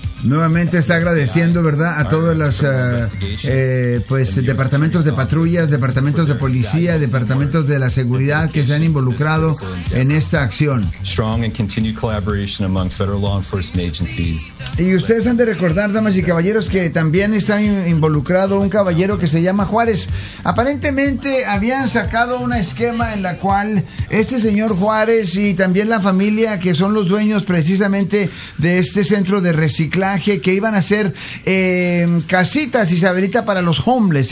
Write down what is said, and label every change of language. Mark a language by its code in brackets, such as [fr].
[es] Nuevamente está agradeciendo, ¿verdad?, a todos los departamentos de patrullas, departamentos de policía, departamentos de la seguridad que se han involucrado en esta acción. [en] Strong and continued collaboration among federal law enforcement agencies. [es] Y ustedes han de recordar, damas y caballeros, que también está involucrado un caballero que se llama Juárez. Aparentemente habían sacado un esquema en la cual este señor Juárez y también la familia, que son los dueños precisamente de este centro de reciclaje, que iban a ser casitas, Isabelita, para los homeless.